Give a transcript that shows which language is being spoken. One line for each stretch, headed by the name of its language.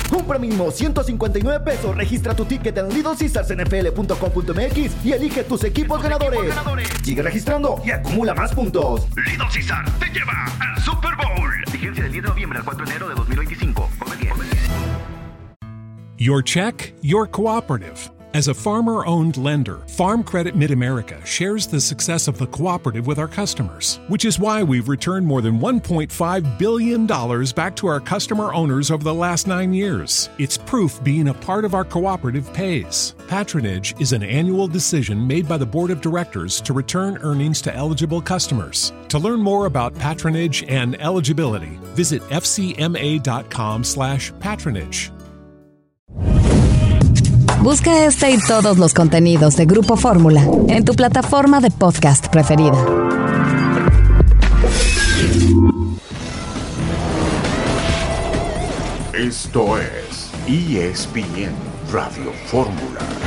Spanish: Compra mínimo 159 pesos, registra tu ticket en LittleCaesarsNFL.com.mx y elige tus equipos ganadores. Sigue registrando y acumula más puntos. Little Caesars te lleva al Super Bowl. Vigencia del 10 de noviembre al 4 de enero de 2025.
English: Your check, your cooperative. As a farmer-owned lender, Farm Credit Mid-America shares the success of the cooperative with our customers, which is why we've returned more than $1.5 billion back to our customer owners over the last 9 years. It's proof being a part of our cooperative pays. Patronage is an annual decision made by the board of directors to return earnings to eligible customers. To learn more about patronage and eligibility, visit fcma.com/patronage.
Spanish: Busca este y todos los contenidos de Grupo Fórmula en tu plataforma de podcast preferida. Esto es ESPN Radio Fórmula.